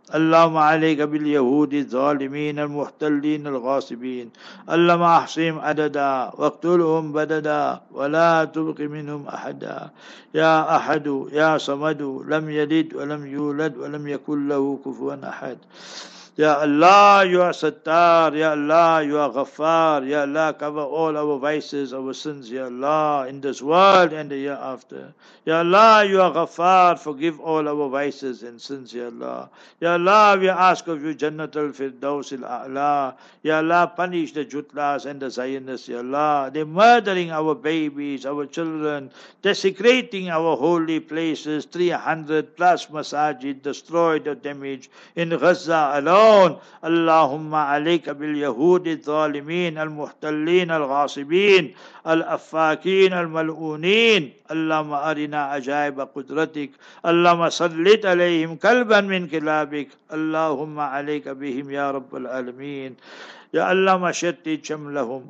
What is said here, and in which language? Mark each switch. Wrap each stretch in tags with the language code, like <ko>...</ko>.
<ar>اللهم عليك باليهود الظالمين المحتلين الغاصبين. اللهم احصهم عددا واقتلهم بددا ولا تبق منهم احدا. يا احد يا صمد لم يلد ولم يولد ولم يكن له كفوا احد. يا الله يا ستار يا الله</ar> <en>يا غفار</en> <ar>يا الله</ar> <en>cover all our vices, our sins, يا الله in this world and the year after.</en> <ar>يا الله يا غفار</ar> <en>forgive all our vices and sins,</en> <ar>يا الله. يا الله</ar> <en>we ask of you</en> <ar>جنة الفردوس الأعلى. يا الله</ar> <en>punish the Jutlas and the Zionists,</en> <ar>يا الله.</ar> <en>They're murdering our babies, our children, desecrating our holy places, 300 plus masajid destroyed or damaged in Gaza alone.</en> <ar>اللهم عليك باليهود الظالمين المحتلين الغاصبين الأفاكين الملؤونين. اللهم أرنا عجائب قدرتك. اللهم سلط عليهم كلبا من كلابك. اللهم عليك بهم يا رب العالمين. يا اللهم شتت شملهم.</ar>